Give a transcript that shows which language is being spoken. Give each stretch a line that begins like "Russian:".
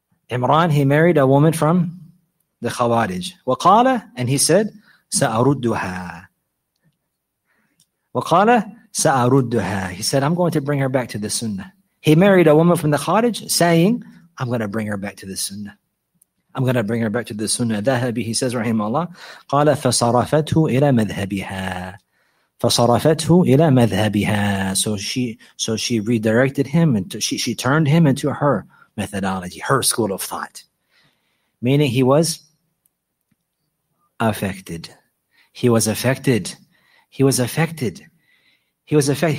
English: Imran, he married a woman from the Khawarij.
Arabic: وَقَالَ,
English: and he said,
Arabic: سَأَرُدُّهَا. وَقَالَ, سَأَرُدُّهَا.
English: He said, I'm going to bring her back to the Sunnah. He married a woman from the Khawarij, saying, I'm going to bring her back to the Sunnah. I'm going to bring her back to the Sunnah.
Arabic: ذهبي,
English: he says,
Arabic: rahimahullah, قَالَ فَصَرَفَتْهُ إِلَى مَذْهَبِهَا. فَصَرَفَتْهُ إِلَى مَذْهَبِهَا.
English: So she redirected him, and she turned him into her methodology, her school of thought. Meaning he was affected. He was affected. He was affected. He was affected.